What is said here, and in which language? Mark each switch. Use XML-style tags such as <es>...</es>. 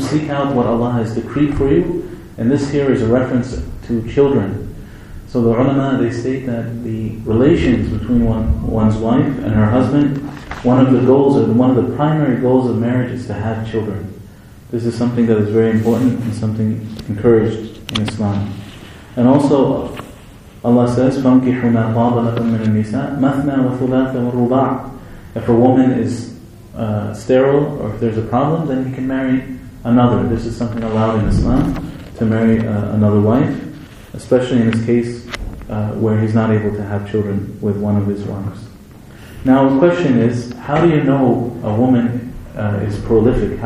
<en>Seek out what Allah has decreed for you. And this here is a reference to children. So the ulama, they state that the relations between one's wife and her husband one of the primary goals of marriage is to have children. This is something that is very important and something encouraged in Islam. And also, Allah says,</en> <ar>فَانْكِحُوا مَا طَابَ لَكُمْ مِنَ النِّسَاءِ مَثْنَى وَثُلَاثَ وَرُبَاعَ.</ar> <en>If a woman is sterile, or if there's a problem, then he can marry another. This is something allowed in Islam, to marry another wife, especially in this case where he's not able to have children with one of his wives. Now the question is, how do you know a woman is prolific?</en>